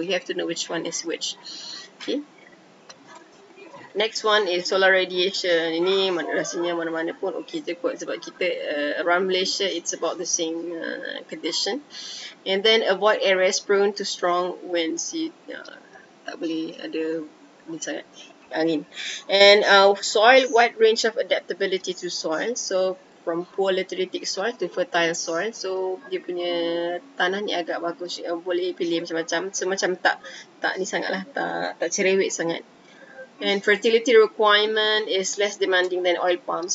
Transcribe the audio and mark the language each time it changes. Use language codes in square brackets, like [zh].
[en] You have to know which one is which. Okay. Next one is solar radiation. [ms] Ini rasanya mana-mana pun okey je kot sebab kita [en] around Malaysia it's about the same condition. And then avoid areas prone to strong winds. [ms] Tak boleh ada wind sangat. Angin. [en] And soil, wide range of adaptability to soil. So, from poor lateritic soil to fertile soil. So, [ms] dia punya tanah ni agak bagus. Boleh pilih macam-macam. So, macam tak ni sangat lah. Tak cerewet sangat. [en] And fertility requirement is less demanding than oil palm.